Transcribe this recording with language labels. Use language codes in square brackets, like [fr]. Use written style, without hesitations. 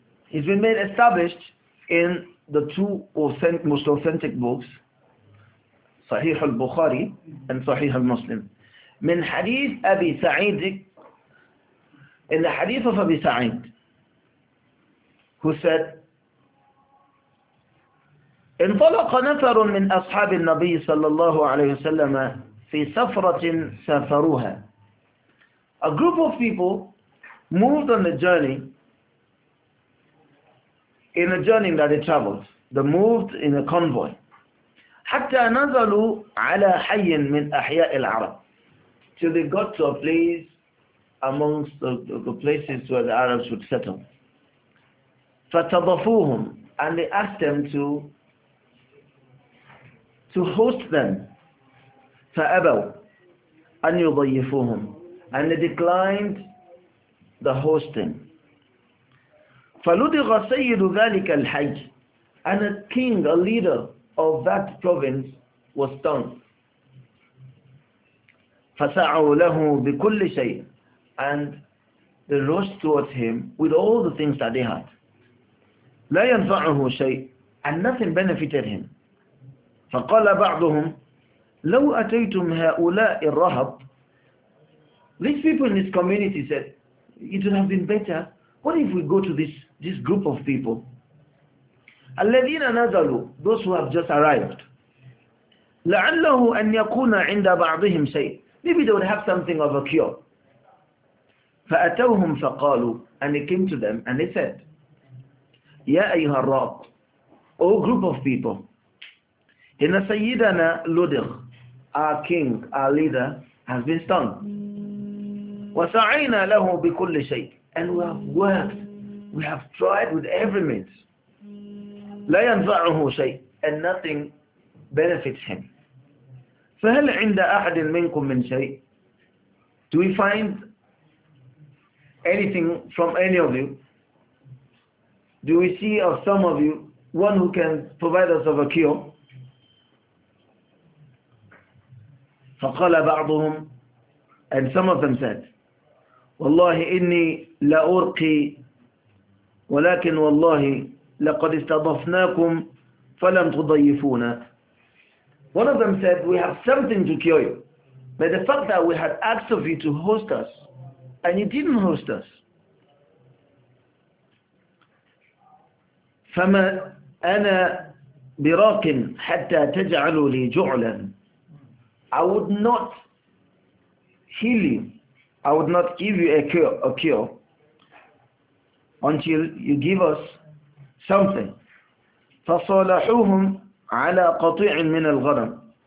[en] It's been made established in the two most authentic books, [ar] صحيح البخاري [en] and [ar] صحيح المسلم من حديث أبي سعيد [en] in the hadith of Abi Sa'id who said [ar] انطلق نفر من أصحاب النبي صلى الله عليه وسلم في سفرة سافروها. [en] A group of people moved on the journey in a journey that they traveled. They moved in a convoy. [ar] حتى نزلوا على حي من أحياء العرب. [en] Till they got to a place amongst the places where the Arabs would settle. [ar] فتضفوهم. [en] And they asked them to host them. [ar] فأبوا أن يضيفوهم. [en] And they declined the hosting. [ar] فلدغ سيد ذلك الحج. [en] And a king, a leader of that province was stung. [ar] فسعوا له بكل شيء. [en] And they rushed towards him with all the things that they had. [ar] لا ينفعه شيء. [en] And nothing benefited him. [ar] فقال بعضهم لو أتيتم هؤلاء الرهب. [en] These people in this community said, it would have been better. What if we go to this group of people? [ar] الذين نزلوا, [en] those who have just arrived. [ar] لعله أن يكون عند بعضهم شيء. [en] Maybe they would have something of a cure. [ar] فأتوهم فقالوا, [en] and they came to them and they said, [ar] يا أيها الرهب, [en] O group of people, [ar] إن سيدنا لدغ, [en] our king, our leader, has been stung. [ar] وسعينا له بكل شيء. [en] And we have worked, we have tried with every means. [ar] لا ينفعه شيء. [en] And nothing benefits him. [ar] فهل عند أحد منكم من شيء? [en] Do we find anything from any of you? Do we see of some of you one who can provide us of a cure? [ar] فقال بعضهم, [en] and some of them said, [ar] والله إني لا أرقي ولكن والله لقد استضفناكم فلم تضيفونا. [en] One of them said, we have something to cure you. But the fact that we had asked of you to host us and you didn't host us. [ar] فما أنا براق حتى تجعلوا لي جعلا. [en] I would not heal you. I would not give you a cure until you give us something. [ar] فصالحوهم على قطيع من الغنم.